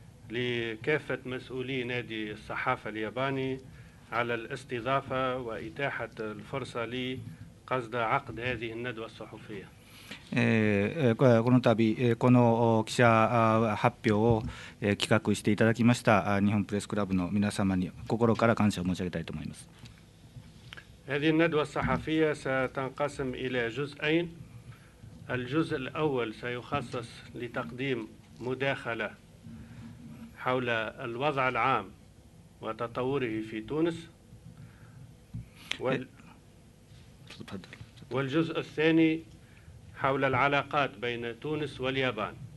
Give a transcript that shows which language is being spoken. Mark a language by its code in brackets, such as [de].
[ar] لكافة مسؤولي نادي الصحافة الياباني على الاستضافة وإتاحة الفرصة لي قصد عقد هذه الندوة الصحفية. [ja] この度この記者発表を企画していただきました日本プレスクラブの皆様に心から感謝を申し上げたいと思います。 [ar] هذه الندوة الصحفية ستنقسم إلى جزئين. الجزء الأول سيخصص لتقديم مداخلة. حول الوضع العام وتطوره في تونس والجزء الثاني حول العلاقات بين تونس واليابان.